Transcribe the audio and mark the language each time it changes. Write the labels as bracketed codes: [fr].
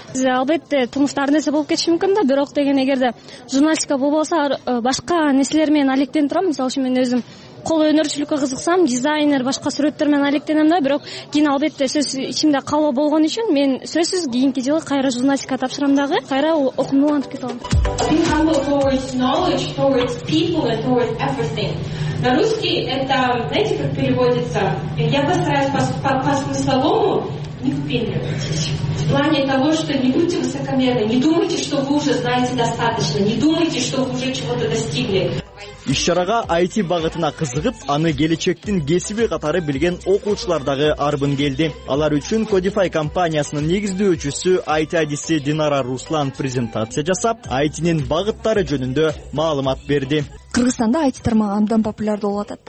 [ky] Биз албетте турмушта ар нерсе болуп кетиши мүмкүн да, бирок деген эгерде журналистика болбосо башка нерселер менен алектенип турам. Мисалы үчүн мен өзүм кол өнөрчүлүккө кызыксам, дизайнер, башка сүрөттөр менен алектенем да, бирок кийин албетте сөз ичимде калоо болгон үчүн мен сөзсүз кийинки жылы кайра журналистика тапшырам дагы, кайра окуумду улантып кете алам. [ru] На русский это, знаете, как переводится? Я постараюсь по смысловому не купить. В плане того, что не будьте высокомерны, не думайте, что вы уже знаете достаточно, не думайте, что вы уже чего-то достигли. [ky] Иш-чарага IT багытына кызыгып, аны келечектин кесиби катары билген окуучулар дагы арбын келди. Алар үчүн Codify компаниясынын негиздөөчүсү, IT адиси Динара Руслан презентация жасап, IT'нин багыттары жөнүндө маалымат берди. Кыргызстанда IT тармагы абдан популярдуу болуп атат.